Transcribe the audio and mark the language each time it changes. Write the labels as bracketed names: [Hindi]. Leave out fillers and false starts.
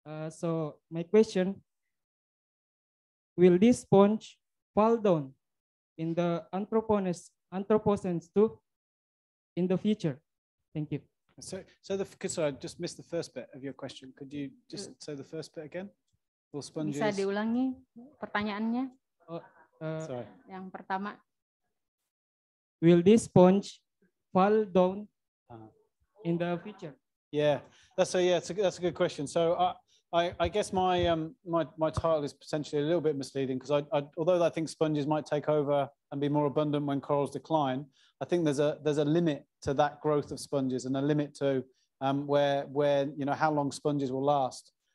[English] So my question, will this sponge fall down in the Anthropocene too in the future? Thank you. Sorry, I just missed the first bit of your question. Could you just say the first bit again? Sponges. [Indonesian] Bisa diulangi pertanyaannya? [English] Sorry. [Indonesian] Yang pertama. [English] Will this sponge fall down in the future? Yeah, that's a good question. So I guess my title is potentially a little bit misleading because although I think sponges might take over and be more abundant when corals decline, I think there's a limit to that growth of sponges and a limit to where you know how long sponges will last.